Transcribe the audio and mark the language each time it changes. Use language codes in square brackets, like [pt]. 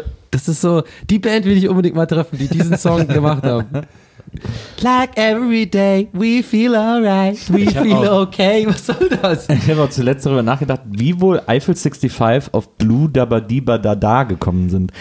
[de] Das ist so, die Band will ich unbedingt mal treffen, die diesen Song gemacht haben. [en] Like every day, we feel alright, we feel okay. [de] Was soll das? Ich habe auch zuletzt darüber nachgedacht, wie wohl Eiffel 65 auf Blue Dabba Dibba Dada gekommen sind.